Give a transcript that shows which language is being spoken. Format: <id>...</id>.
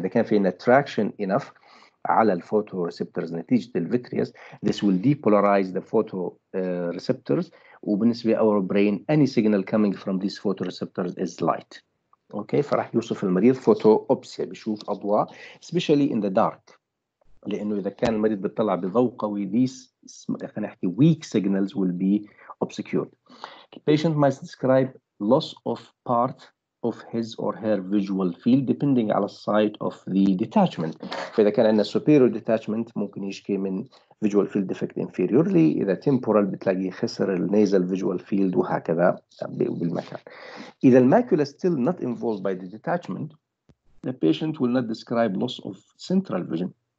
<ar>يعني إذا كان في</ar> <en>attraction enough على الفوتوreceptors</en> <ar>نتيجة الفيتريس,</ar> <en>this will depolarize the photoreceptors,</en> <ar>وبالنسبة</ar> <en>our brain any signal coming from these photoreceptors is light.</en> <ar>اوكي, فراح يوصف المريض فوتوبسيا, بيشوف اضواء</ar> <en>especially in the dark.</en> <ar>لانه اذا كان المريض بيطلع بضوء قوي, these خلينا نحكي</ar> <en>weak signals will be obscured. The patient might describe loss of part of his or her visual field depending</en> <ar>على</ar> <en>site of the detachment.</en> <ar>فاذا كان عندنا superior detachment ممكن يشكي من</ar> <en>visual field defect inferiorly.</en> <ar>اذا temporal بتلاقي خسر النيزل visual field وهكذا بالمكان.</ar> <en>اذا المacula still not involved by the detachment, the patient will not describe loss of central vision.</en>